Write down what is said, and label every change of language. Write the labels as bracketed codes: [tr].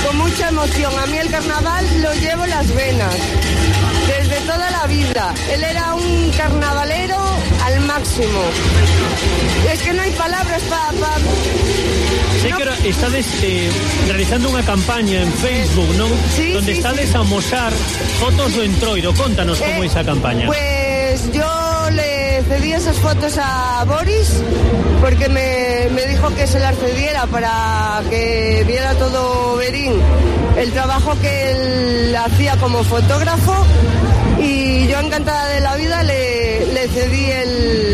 [es] Mucha emoción, a mí el carnaval lo llevo las venas, desde toda la vida. Él era un carnavalero al máximo. Es que no hay palabras para... [gl] Sé que estades realizando unha campaña en Facebook, ¿no? Sí, donde sí, estades sí. A mostrar fotos do entroido, contanos como é esa campaña. [es] Pues yo le cedí esas fotos a Boris, porque me dijo que se las cediera para que viera todo Verín el trabajo que él hacía como fotógrafo, y yo, encantada de la vida, le cedí el...